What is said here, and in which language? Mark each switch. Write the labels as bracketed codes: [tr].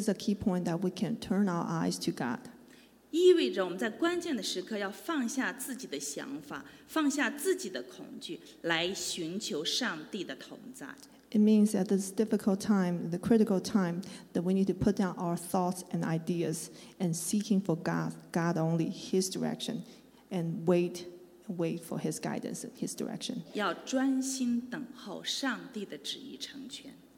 [en] is a key point that we can turn our eyes to God. [zh] 意味着我们在关键的时刻要放下自己的想法，放下自己的恐惧，来寻求上帝的同在。 [en] It means at this difficult time, the critical time, that we need to put down our thoughts and ideas and seeking for God, God only, His direction, and wait for His guidance and His direction. [zh] 要专心等候上帝的旨意成全。